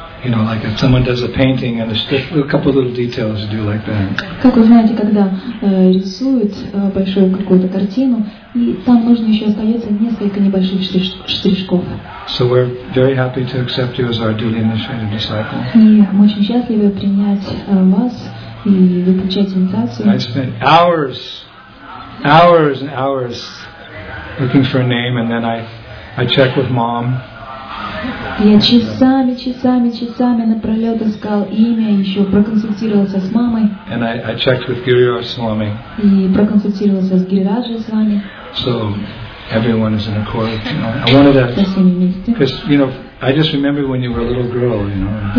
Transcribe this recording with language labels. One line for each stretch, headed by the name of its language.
English: You know, like if someone does a painting and a couple of little details to do like that.
Russian: Как вы знаете, когда рисуют большую какую-то картину, и там нужно еще остается несколько небольших штришков.
English: So we're very happy to accept you as our duly initiated disciple.
Russian: И мы очень счастливы принять вас и получать инициацию.
English: I spent hours, hours and hours looking for a name, and then I check with mom.
Russian: Я часами напролет искал имя, еще проконсультировался с мамой.
English: And I checked with Гирирадж Свами.
Russian: И проконсультировался с Гирираджей Свами.
English: So everyone is in accord. You know, I wanted to, because you know, I just remember when you were a little girl, you know.